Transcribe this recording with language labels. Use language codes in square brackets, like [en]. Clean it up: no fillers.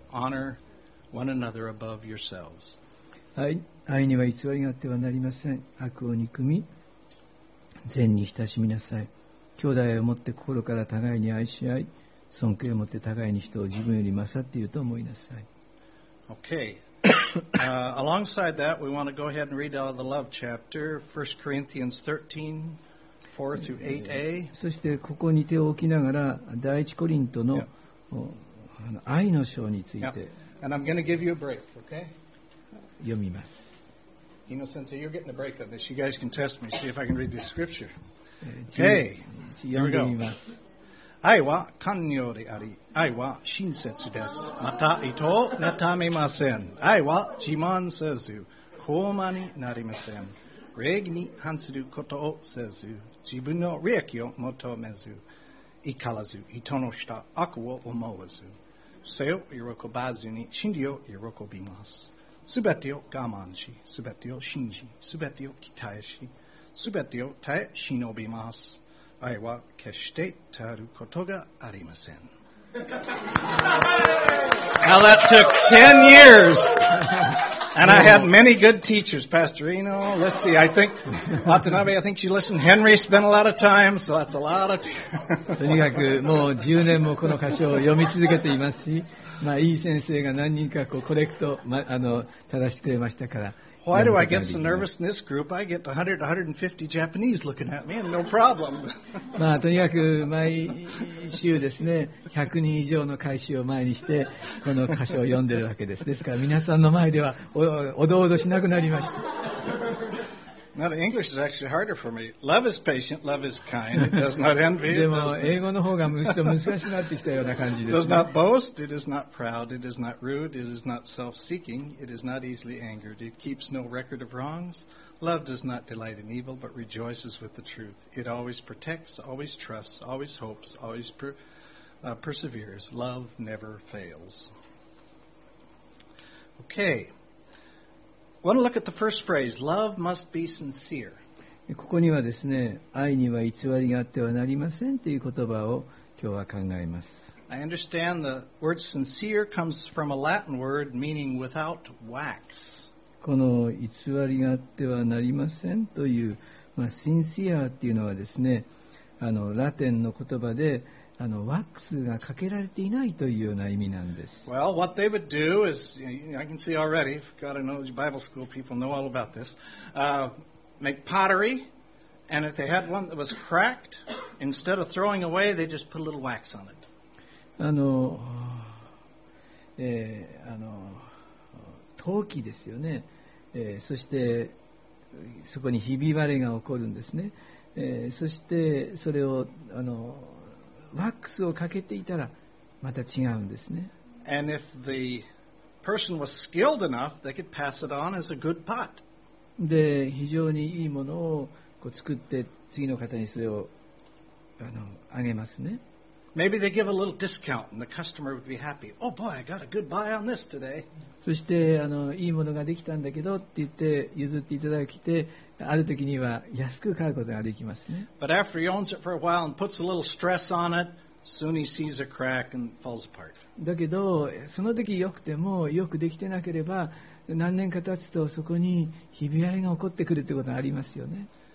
[en] Honor one another above yourselves. [ja] 愛には偽りがあってはなりません。悪を憎み、善に親しみなさい。兄弟をもって心から互いに愛し合い、尊敬をもって互いに人を自分より勝っていると思いなさい。 [en] Okay. alongside that, we want to go ahead and read out the love chapter, 1 Corinthians 13, 4 through 8a. [ja] そしてここに手を置きながら、第一コリントの、愛の章について、 [en] And I'm going to give you a break, okay? [ja] 読みます。 [en] Hino Sensei, you're getting a break on this. You guys can test me, see if I can read this scripture. Okay, here we go. [ja] 読みます。愛は寛容であり、愛は親切です。また意図を妬めません。愛は自慢せず、傲慢になりません。礼儀に反することをせず、自分の利益を求めず、怒らず、人のした悪を思わず。生を喜ばずに真理を喜びます。すべてを我慢し、すべてを信じ、すべてを期待し、すべてを耐え忍びます。愛は決して足ることがありません。 [en] Now that took 10 years. And I had many good teachers. Pastor Eno, let's see, I think, Watanabe, I think she listened. Henry spent a lot of time, so that's a lot of time. [ja] とにかくもう10年もこの箇所を読み続けていますし、まあいい先生が何人かこうコレクト、ま、あの正してくれましたから。 [en] Why do I get so nervous in this group? I get 100 to 150 Japanese looking at me and no problem. [ja] まあとにかく毎週ですね、100人以上の会衆を前にしてこの箇所を読んでるわけです。ですから皆さんの前ではおどおどしなくなりました。 [en] Now the English is actually harder for me. Love is patient, love is kind. It does not envy. [ja] でも英語の方がむしろ難しくなってきたような感じです、ね。 [en] Does not boast, it is not proud, it is not rude, it is not self-seeking, it is not easily angered, it keeps no record of wrongs. Love does not delight in evil, but rejoices with the truth. It always protects, always trusts, always hopes, always perseveres. Love never fails. Okay. I want to look at the first phrase, love must be sincere. [ja] ここにはですね、愛には偽りがあってはなりませんという言葉を今日は考えます。 [en] I understand the word sincere comes from a Latin word meaning without wax. [ja] この偽りがあってはなりませんという、まあ、sincere というのはですね、あのラテンの言葉で、あのワックスがかけられていないというような意味なんです。 [en] Well, what they would do is, I can see already, if you've got to know, Bible school people know all about this, make pottery, and if they had one that was cracked, instead of throwing away, they just put a little wax on it. [ja] あの陶器ですよね、そしてそこにひび割れが起こるんですね、そしてそれをあのワックスをかけていたらまた違うんですね。 [en] And if the person was skilled enough, they could pass it on as a good pot. [ja] で、非常にいいものをこう作って次の方にそれをあの、あげますね。 [en] Maybe they give a little discount and the customer would be happy. Oh boy, I got a good buy on this today. [ja] そしてあのいいものができたんだけどって言って譲っていただいて、ある時には安く買うことができますね。 [en] But after he owns it for a while and puts a little stress on it, soon he sees a crack and falls apart. [ja] だけどその時良くてもよくできてなければ何年か経つとそこにひび割れが起こってくるってことがありますよね。